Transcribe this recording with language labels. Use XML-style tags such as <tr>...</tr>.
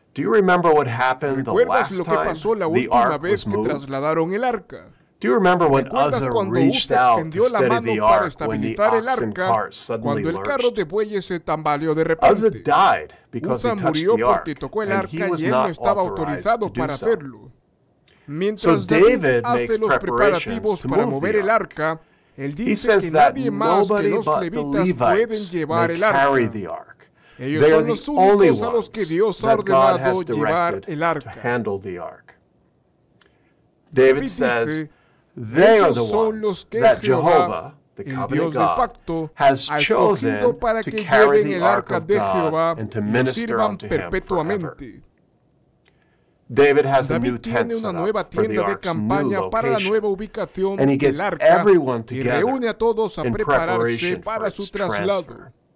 <en>Do you remember what happened the last time the ark was moved? Do you remember when Uzzah reached out to steady the ark when the oxen cart suddenly lurched? Uzzah died because he touched the ark, and he was not authorized to do so.</en> <es>Mientras David hace los preparativos para mover el arca, él dice que nadie más que los levitas pueden llevar el arca. Ellos son los únicos a los que Dios ha ordenado llevar el arca. David dice,</es> <en>they are the ones that Jehovah, the covenant God, has chosen to carry the ark of God and to minister unto him forever. David has a new tent set up for the ark's new location, and he gets everyone together in preparation for its transfer.</en>